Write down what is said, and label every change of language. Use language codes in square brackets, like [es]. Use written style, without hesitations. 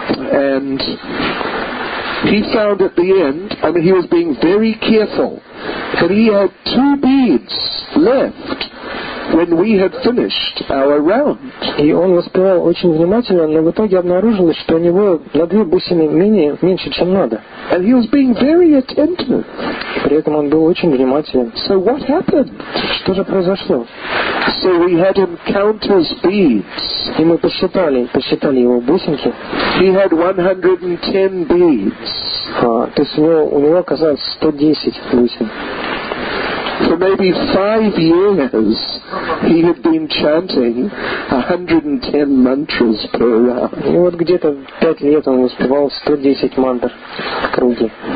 [en] And he found at the end, I mean, he was being very careful, that he had two beads left when we had finished our round. [ru] И он воспевал очень внимательно, но в итоге обнаружилось, что у него на две бусины меньше, чем надо. [en] And he was being very attentive. [ru] При этом он был очень внимателен. [en] So what happened? [ru] Что же произошло? [en] So we had him count his beads. [ru] И мы посчитали его бусинки. [en] He had 110 beads. [ru] То есть у него оказалось 110 бусин. [en] For maybe 5 years, he had been chanting 110 mantras per round. [ru] И вот где-то 5 лет он воспевал 110 мантр в круге.